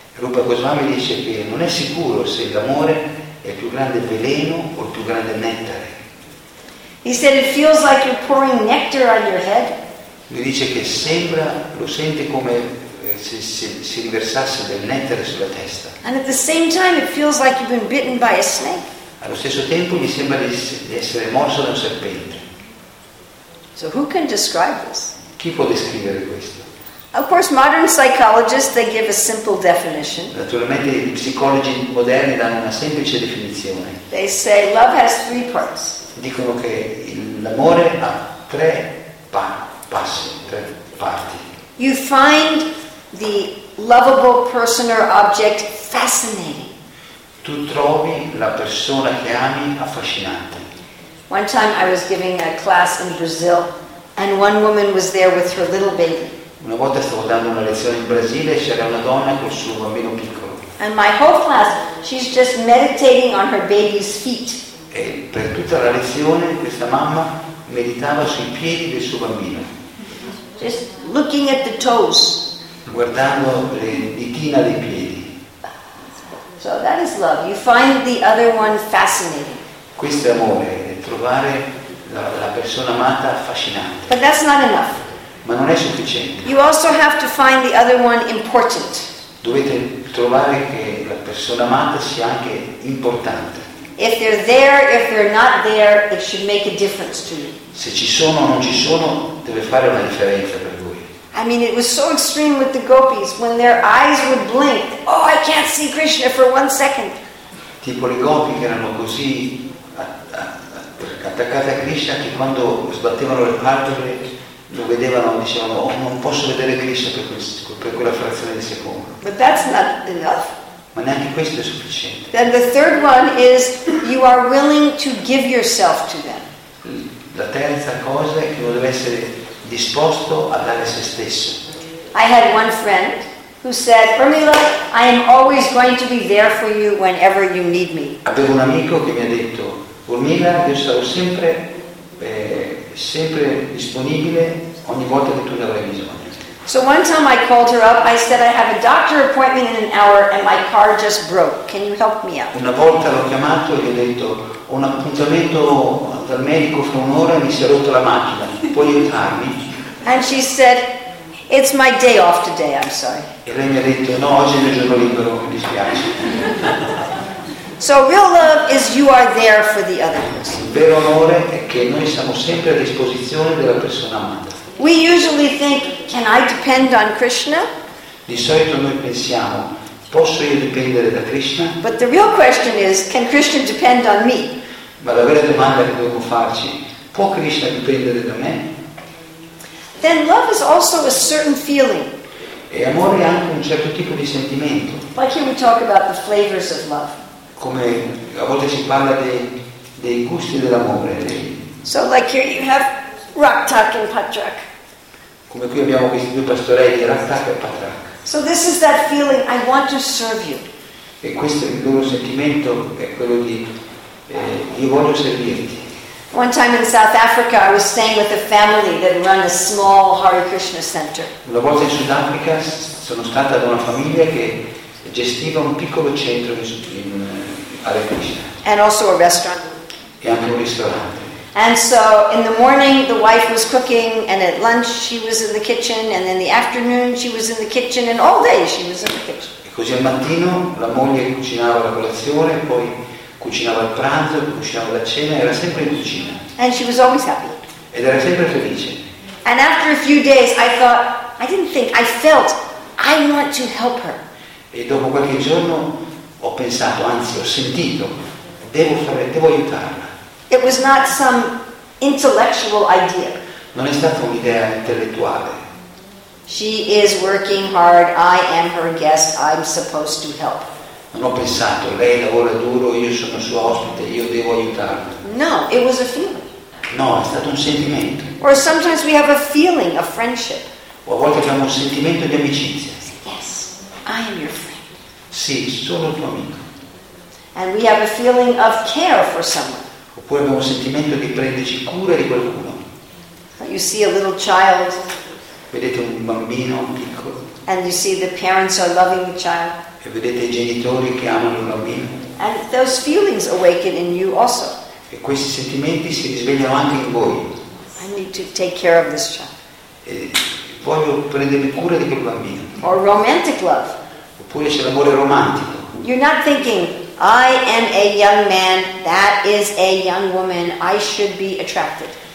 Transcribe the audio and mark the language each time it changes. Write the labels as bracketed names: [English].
[Italian] Rupa Goswami dice che non è sicuro se l'amore è il più grande veleno o il più grande nettare. [English] He said it feels like you're pouring nectar on your head. [Italian] Lui dice che sembra, lo sente come se si riversasse del nettare sulla testa. [English] And at the same time it feels like you've been bitten by a snake. [Italian] Allo stesso tempo gli sembra di essere morso da un serpente. [English] So who can describe this? [Italian] Chi può descrivere questo? [English] Of course, modern psychologists, they give a simple definition. [Italian] Naturalmente, i psicologi moderni danno una semplice definizione. [English] They say love has three parts. [Italian] Dicono che l'amore ha tre passi, tre parti. [English] You find the lovable person or object fascinating. [Italian] Tu trovi la persona che ami affascinante. [English] One time I was giving a class in Brazil. And one woman was there with her little baby. [Italian] Una volta stavo dando una lezione in Brasile e c'era una donna col suo bambino piccolo. [English] And my whole class, she's just meditating on her baby's feet. [Italian] E per tutta la lezione questa mamma meditava sui piedi del suo bambino. [English] Just looking at the toes. [Italian] Guardando le dita dei piedi. [English] So that is love. You find the other one fascinating. [Italian] Questo è amore, è trovare la persona amata affascinante. [English] But that's not enough. [Italian] Ma non è sufficiente. [English] You also have to find the other one important. [Italian] Dovete trovare che la persona amata sia anche importante. [English] If they're there, if they're not there, it should make a difference to you. [Italian] Se ci sono o non ci sono, deve fare una differenza per voi. [English] I mean, it was so extreme with the gopis when their eyes would blink. Oh, I can't see Krishna for one second. [Italian] Tipo le gopi che erano così attaccate a Krishna che quando sbattevano le palpebre lo vedevano, dicevano oh, non posso vedere Krishna per quella frazione di secondo. [English] But that's not enough. [Italian] Ma neanche questo è sufficiente. [English] Then the third one is you are willing to give yourself to them. [Italian] La terza cosa è che uno deve essere disposto a dare se stesso. [English] I had one friend who said, Pramila, I am always going to be there for you whenever you need me. [Italian] Avevo un amico che mi ha detto, Urmila, io sarò sempre sempre disponibile ogni volta che tu ne avrai bisogno. [English] So one time I called her up, I said I have a doctor appointment in an hour and my car just broke. Can you help me out? [Italian] Una volta l'ho chiamato e gli ho detto ho un appuntamento dal medico fra un'ora e mi si è rotta la macchina. Puoi aiutarmi? [English] And she said, it's my day off today, I'm sorry. [Italian] E lei mi ha detto, no, oggi è il mio giorno libero, mi dispiace. [English] So real love is you are there for the other person. [Italian] Il vero amore è che noi siamo sempre a disposizione della persona amata. [English] We usually think, can I depend on Krishna? [Italian] Di solito noi pensiamo, posso io dipendere da Krishna? [English] But the real question is, can Krishna depend on me? [Italian] Ma la vera domanda che dobbiamo farci, può Krishna dipendere da me? [English] Then love is also a certain feeling. [Italian] E amore è anche un certo tipo di sentimento. [English] Why can't we talk about the flavors of love? [Italian] Come a volte si parla dei gusti dell'amore. [English] So like here you have Raktak and Patrak. [Italian] Come qui abbiamo questi due pastorelli, Raktak e Patrak. [English] So this is that feeling, I want to serve you. [Italian] E questo è il loro sentimento, è quello di io voglio servirti. [English] One time in South Africa I was staying with a family that run a small Hare Krishna center. [Italian] Una volta in Sudafrica sono stata da una famiglia che gestiva un piccolo centro in Hare Krishna. [English] And also a restaurant. [Italian] E anche un ristorante. [English] And so in the morning the wife was cooking and at lunch she was in the kitchen and in the afternoon she was in the kitchen and all day she was in the kitchen. [Italian] E così al mattino la moglie cucinava la colazione, poi cucinava il pranzo, cucinava la cena, era sempre in cucina. [English] And she was always happy. [Italian] Ed era sempre felice. [English] And after a few days I thought, I didn't think, I felt, I want to help her. [Italian] E dopo qualche giorno ho pensato, anzi ho sentito, devo aiutarla. [English] It was not some intellectual idea. [Italian] Non è stata un'idea intellettuale. [English] She is working hard, I am her guest, I'm supposed to help. [Italian] Non ho pensato, lei lavora duro, io sono suo ospite, io devo aiutarla. [English] No, it was a feeling. [Italian] No, è stato un sentimento. [English] Or sometimes we have a feeling of friendship. [Italian] O a volte abbiamo un sentimento di amicizia. [English] Yes, I am your friend. [Italian] Sì, sono tuo amico. [English] And we have a feeling of care for someone. [Italian] Oppure abbiamo un sentimento di prenderci cura di qualcuno. [English] You see a little child. [Italian] Vedete un bambino piccolo. [English] And you see the parents are loving the child. [Italian] E vedete i genitori che amano il bambino. [English] And those feelings awaken in you also. [Italian] E questi sentimenti si risvegliano anche in voi. [English] I need to take care of this child. [Italian] E voglio prendermi cura di quel bambino. [English] Or romantic love. [Italian] Oppure c'è l'amore romantico. [English] You're not thinking, I am a young man, that is a young woman, I should be attracted.